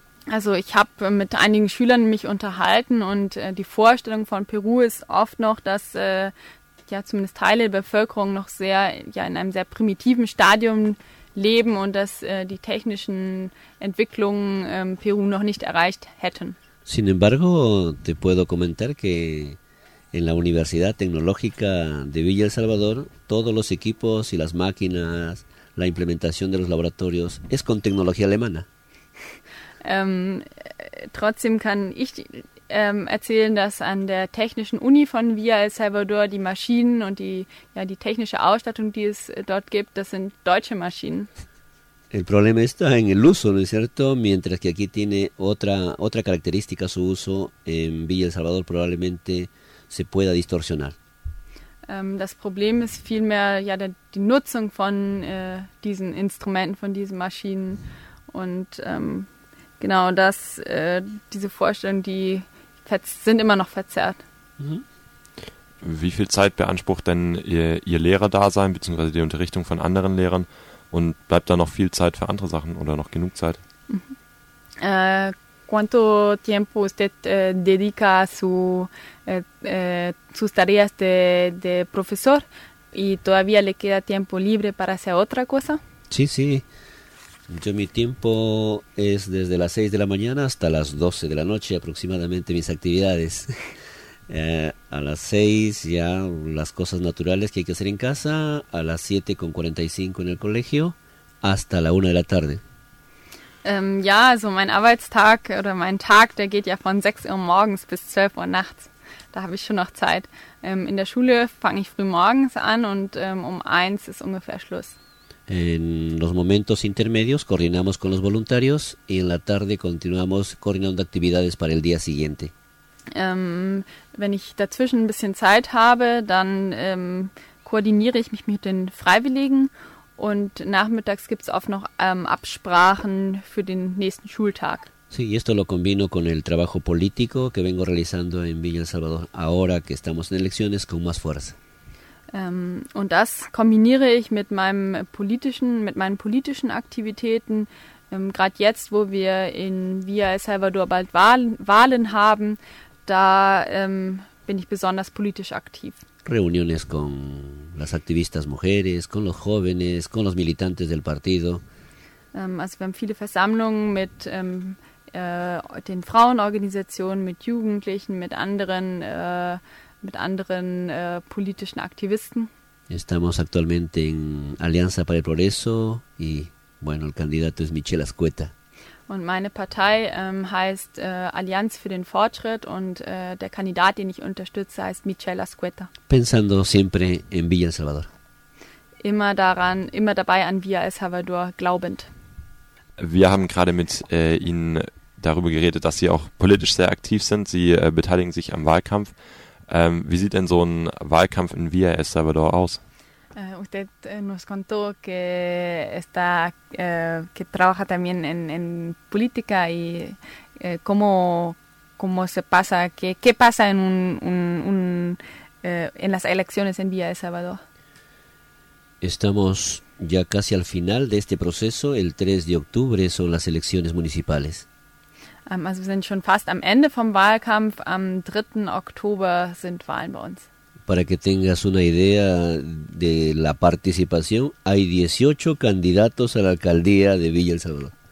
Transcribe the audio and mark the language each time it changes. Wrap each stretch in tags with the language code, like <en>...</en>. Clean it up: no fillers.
<de>Also ich habe mit einigen Schülern mich unterhalten und die Vorstellung von Peru ist oft noch, dass zumindest Teile der Bevölkerung noch sehr in einem sehr primitiven Stadium leben und dass die technischen Entwicklungen Peru noch nicht erreicht hätten.</de> <es>Sin embargo, te puedo comentar que en la Universidad Tecnológica de Villa El Salvador, todos los equipos y las máquinas, la implementación de los laboratorios, es con tecnología alemana.</es> <de>Trotzdem kann ich erzählen, dass an der Technischen Uni von Villa El Salvador die Maschinen und die technische Ausstattung, die es dort gibt, das sind deutsche Maschinen.</de> <es>El problema está en el uso, ¿no es cierto? Mientras que aquí tiene otra característica su uso, en Villa El Salvador probablemente se pueda distorsionar.</es> <de>Das Problem ist vielmehr die Nutzung von diesen Instrumenten, von diesen Maschinen. Und diese Vorstellungen, die sind immer noch verzerrt. Wie viel Zeit beansprucht denn Ihr Lehrerdasein bzw. die Unterrichtung von anderen Lehrern? Und bleibt da noch viel Zeit für andere Sachen oder noch genug Zeit?</de> <es>¿Cuánto tiempo usted dedica a sus tareas de profesor? ¿Y todavía le queda tiempo libre para hacer otra cosa? Sí, sí. Yo mi tiempo es desde las 6 de la mañana hasta las 12 de la noche aproximadamente mis actividades. A las 6 ya las cosas naturales que hay que hacer en casa, a las 7:45 en el colegio, hasta la 1 de la tarde.</es> <de>Mein Arbeitstag oder mein Tag, der geht ja von 6 Uhr morgens bis 12 Uhr nachts. da habe ich schon noch Zeit. In der Schule fange ich früh morgens an und um 1 ist ungefähr Schluss.</de> <es>En los momentos intermedios coordinamos con los voluntarios y en la tarde continuamos coordinando actividades para el día siguiente.</es> <de>Wenn ich dazwischen ein bisschen Zeit habe, dann koordiniere ich mich mit den Freiwilligen und nachmittags gibt es oft noch Absprachen für den nächsten Schultag.</de> <es>Sí, y esto lo combino con el trabajo político que vengo realizando en Villa El Salvador ahora que estamos en elecciones con más fuerza.</es> <de>Und das kombiniere ich mit meinen politischen Aktivitäten. Gerade jetzt, wo wir in Villa El Salvador bald Wahlen haben, da bin ich besonders politisch aktiv.</de> <es>Reuniones con las activistas mujeres, con los jóvenes, con los militantes del partido.</es> <de>Also wir haben viele Versammlungen mit den Frauenorganisationen, mit Jugendlichen, mit anderen politischen Aktivisten.</de> <es>Estamos actualmente en Alianza para el Progreso y bueno, el candidato es Michel Azcueta.</es> <de>Und meine Partei heißt Allianz für den Fortschritt und der Kandidat, den ich unterstütze, heißt Michel Azcueta.</de> <es>Pensando siempre en Villa El Salvador.</es> <de>Immer dabei an Villa El Salvador glaubend. Wir haben gerade mit Ihnen darüber geredet, dass Sie auch politisch sehr aktiv sind. Sie beteiligen sich am Wahlkampf. Wie sieht denn so ein Wahlkampf in Villa El Salvador aus?</de> <es>Usted nos contó que está que trabaja también en política y cómo se pasa qué pasa en en las elecciones en Villa El Salvador. Estamos ya casi al final de este proceso. El 3 de octubre son las elecciones municipales.</es> <de>Also wir sind schon fast am Ende vom Wahlkampf. Am 3. Oktober sind Wahlen bei uns.</de> <es>Para que tengas una idea de la participación, hay 18 candidatos a la alcaldía de Villa El Salvador.</es>